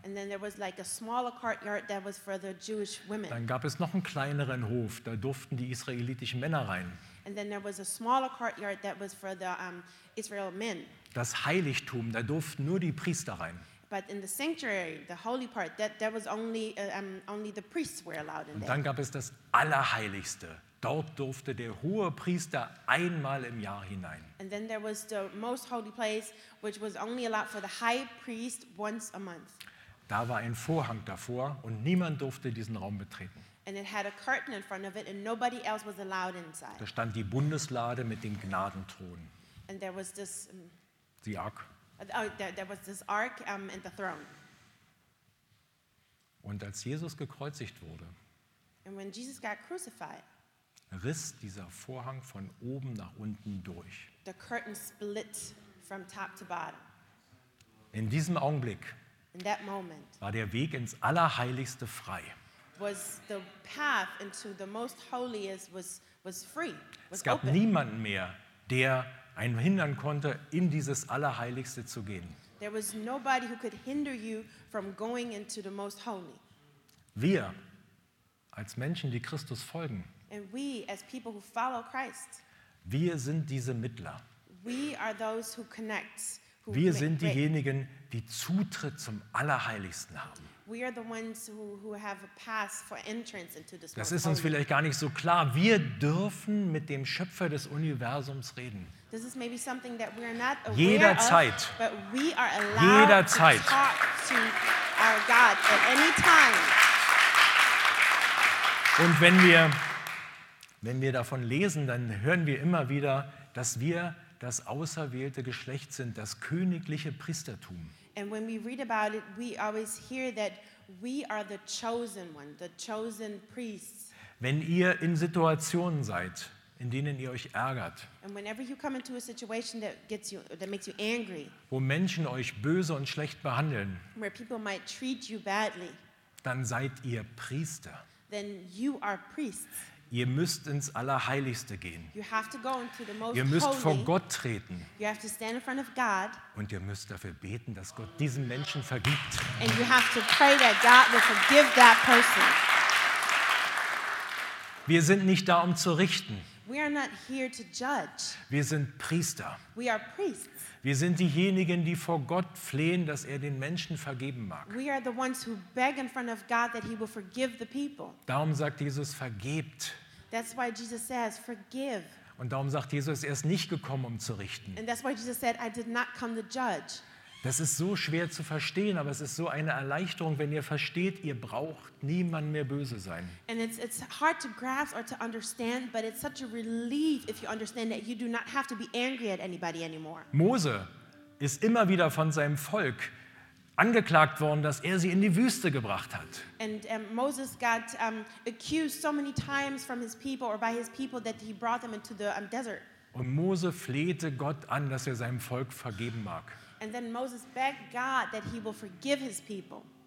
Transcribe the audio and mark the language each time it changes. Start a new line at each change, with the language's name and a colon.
English: And then there was like a smaller courtyard that was for the Jewish women.
German: Dann gab es noch einen kleineren Hof, da durften die israelitischen Männer rein.
English: And then there was a smaller courtyard that was for the Israel men.
German: Das Heiligtum, da durften nur die Priester rein.
English: But in the sanctuary, the holy part, that was only only the priests were allowed in.
German: Und dann gab es das Allerheiligste. Dort durfte der hohe Priester einmal im Jahr hinein.
English: And then there was the most holy place, which was only allowed for the high priest once a month.
German: Da war ein Vorhang davor und niemand durfte diesen Raum betreten.
English: And it had a curtain in front of it and nobody else was allowed inside.
German: Da stand die Bundeslade mit dem Gnadenthron.
English: And there was this the ark. Oh, there was this ark and the throne.
German: Und als Jesus gekreuzigt wurde,
English: and when Jesus got crucified,
German: riss dieser Vorhang von oben nach unten durch.
English: The curtain split from top to bottom.
German: In diesem Augenblick
English: in that moment,
German: war der Weg ins Allerheiligste frei.
English: Was the path into the most holiest was free.
German: Was es gab
English: open.
German: Niemanden mehr, der einen hindern konnte, in dieses Allerheiligste zu gehen.
English: There was nobody who could hinder you from going into the most holy.
German: Wir als Menschen, die Christus folgen,
English: and we as people who follow Christ,
German: wir sind diese Mittler.
English: We are those who connect. Who
German: wir sind diejenigen, die Zutritt zum Allerheiligsten haben.
English: We are the ones who have a pass for entrance into this.
German: Das ist uns vielleicht gar nicht so klar. Wir dürfen mit dem Schöpfer des Universums reden.
English: This is maybe something that we are not aware
German: jederzeit
English: of, but we are allowed
German: jederzeit
English: to talk to our God at any time.
German: Und wenn wir davon lesen, dann hören wir immer wieder, dass wir das auserwählte Geschlecht sind, das königliche Priestertum.
English: And when we read about it, we always hear that we are the chosen one, the chosen priests.
German: Wenn ihr in Situationen seid, in denen ihr euch ärgert,
English: and whenever you come into a situation that gets you, that makes you angry,
German: wo Menschen euch böse und schlecht behandeln,
English: where people might treat you badly,
German: dann seid ihr Priester.
English: Then you are priests.
German: Ihr müsst ins Allerheiligste gehen.
English: You have to go into the most
German: ihr müsst
English: holy
German: vor Gott treten.
English: You have to stand in front of God.
German: Und ihr müsst dafür beten, dass Gott diesen Menschen vergibt.
English: And you have to pray that God will forgive that person.
German: Wir sind nicht da, um zu richten.
English: We are not here to judge.
German: Wir sind Priester.
English: We are priests.
German: Wir sind diejenigen, die vor Gott flehen, dass er den Menschen vergeben mag.
English: We are the ones who beg in front of God that he will forgive the people.
German: Darum sagt Jesus, vergebt.
English: That's why Jesus says, forgive.
German: Und darum sagt Jesus, er ist nicht gekommen, um zu richten.
English: And that's why Jesus said, I did not come to judge.
German: Das ist so schwer zu verstehen, aber es ist so eine Erleichterung, wenn ihr versteht, ihr braucht niemandem mehr böse sein.
English: And it's hard to grasp or to understand, but it's such a relief if you understand that you do not have to be angry at anybody anymore.
German: Mose ist immer wieder von seinem Volk angeklagt worden, dass er sie in die Wüste gebracht hat.
English: And Moses got accused so many times from his people or by his people that he brought them into the desert.
German: Und Mose flehte Gott an, dass er seinem Volk vergeben mag.
English: And then Moses begged God that he will forgive his people.